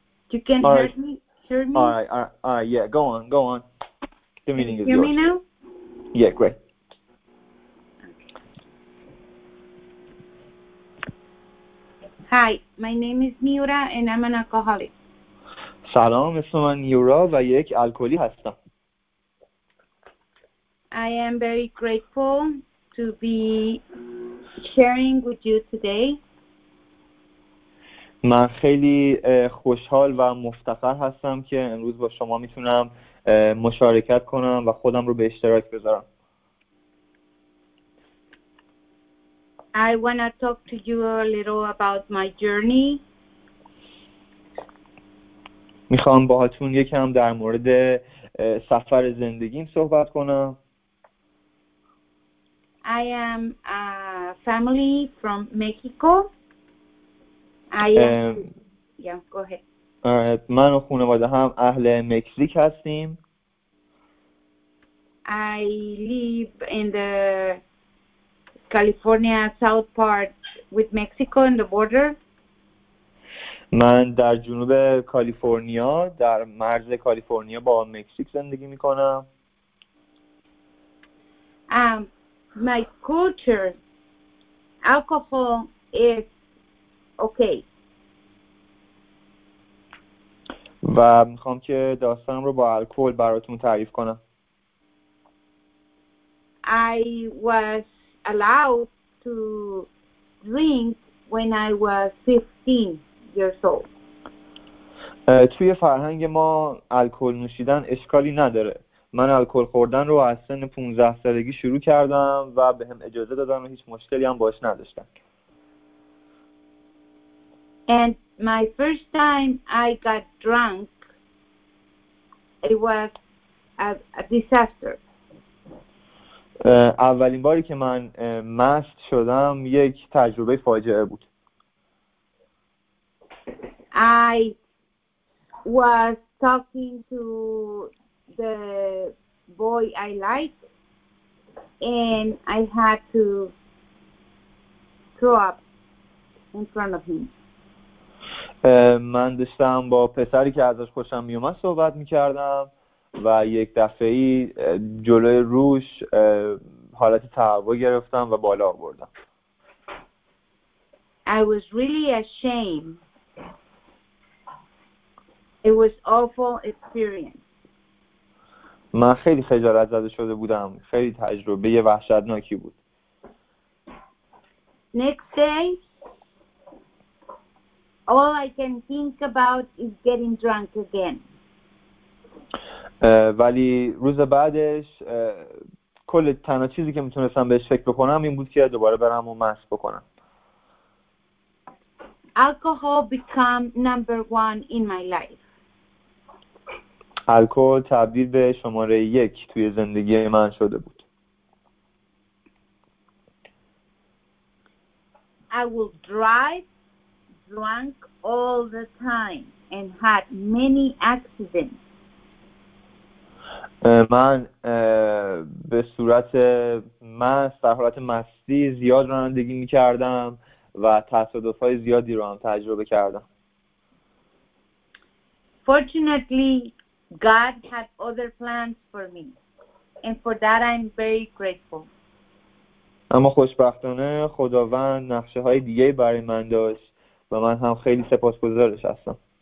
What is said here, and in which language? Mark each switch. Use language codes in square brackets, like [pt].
[en] You can hear right. me? Hear me? All right. Yeah, go on. The meeting is yours. Hear me now? Yeah, great. Hi, my name is Miura and I'm an alcoholic. [fa] Salam, اسم من نیورا و یک الکلی هستم. [en] I am very grateful to be sharing with you today. [fa] من خیلی خوشحال و مفتخر هستم که امروز با شما میتونم مشارکت کنم و خودم رو به اشتراک بذارم. [en] I wanna talk to you a little about my journey. [fa] میخوام باهاتون یکم در مورد سفر زندگیم صحبت کنم. [en] I am a family from Mexico. Yeah, go ahead. [fa] من و خانواده هم اهل مکزیک هستیم. [en] I live in the California south part with Mexico in the border. [fa] من در جنوب کالیفرنیا در مرز کالیفرنیا با مکزیک زندگی می کنم. [en] My culture, alcohol is okay. [fa] و میخوام که داستانم رو با الکل براتون تعریف کنم. [en] I was allowed to drink when I was 15 years old. [fa] توی فرهنگ ما الکل نوشیدن اشکالی نداره. من الکل خوردن رو از سن 15 سالگی شروع کردم و به هم اجازه دادن و هیچ مشکلی هم باش نداشتن. [en] And my first time I got drunk, it was a disaster. [fa] اولین باری که من مست شدم یک تجربه فاجعه بود. [en] I was talking to the boy I liked and I had to throw up in front of him. [fa] من داشتم با پسری که ازش خوشم میومد صحبت میکردم و یک دفعه‌ای جلوی روش حالت تهوع گرفتم و بالا آوردم. [en] I was really ashamed. It was awful experience. [fa] من خیلی خجالت زده شده بودم. خیلی تجربه وحشتناکی بود. [en] Next day all I can think about is getting drunk again. [fa] ولی روز بعدش کل تنها چیزی که میتونستم بهش فکر بکنم این بود که دوباره برم و مست بکنم. [en] Alcohol become number one in my life. [fa] الکل تبدیل به شماره یک توی زندگی من شده بود. [en] I will drive drunk all the time and had many accidents. [fa] من به صورت مست در حالت مستی زیاد رانندگی می‌کردم و تصادف‌های زیادی رو هم تجربه کردم. [en] Fortunately, God had other plans for me and for that I'm very grateful. [fa] اما خوشبختانه خداوند نقشه‌های دیگه‌ای برای من داشت و من هم خیلی سپاسگزارش هستم.